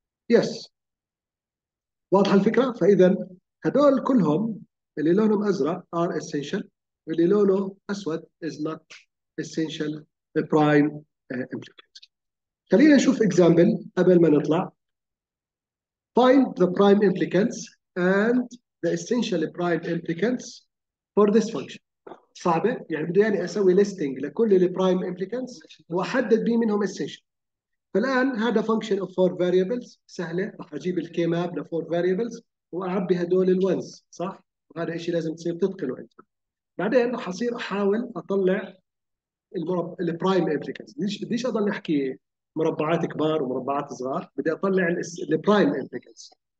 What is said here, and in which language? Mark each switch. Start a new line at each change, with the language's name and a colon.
Arabic: يس واضحة الفكرة؟ فإذا هدول كلهم اللي لونهم أزرق
English: are essential،
Arabic: اللي لونه أسود
English: is not essential prime implicant.
Arabic: خلينا نشوف example قبل ما نطلع.
English: Find the prime implicants and the essential prime implicants for this function.
Arabic: صعبة؟ يعني بده يعني أسوي listing لكل ال prime implicants وأحدد بين منهم essential. فالان هذا فانكشن اوف فور فاريبلز، سهله، راح اجيب الكي ماب لفور فاريبلز واعبي هدول الونز، صح؟ وهذا شيء لازم تصير تتقنه انت. بعدين راح اصير احاول اطلع البرايم امبليكانتس، بديش اضل احكي مربعات كبار ومربعات صغار، بدي اطلع البرايم امبليكانتس.